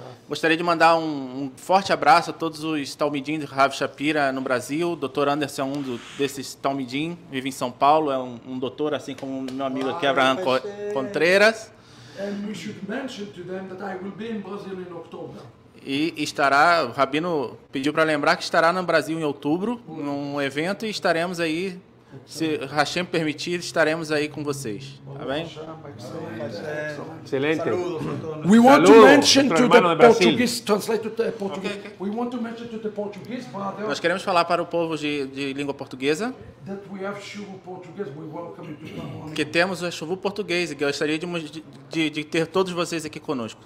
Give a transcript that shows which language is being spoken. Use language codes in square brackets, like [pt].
[pt] Gostaria de mandar um forte abraço a todos os talmidim de Rav Shapira no Brasil. Dr. Anderson é um desses talmidim. Vive em São Paulo. É um doutor, assim como meu amigo aqui, Abraham Contreras. [en] And we should mention to them that I will be in Brazil in October. [pt] E estará, o Rabino pediu para lembrar que estará no Brasil em outubro, num evento, e estaremos aí, se Hashem permitir, estaremos aí com vocês. Amém? Excelente. [en] We want to mention to the Portuguese, translate to the Portuguese. We want to mention to the Portuguese, Father. [pt] Nós queremos falar para o povo de língua portuguesa. [en] That we have shuvu Portuguese, we welcome you to come on. [pt] Que temos a shuvu portuguesa, que gostaríamos de ter todos vocês aqui conosco.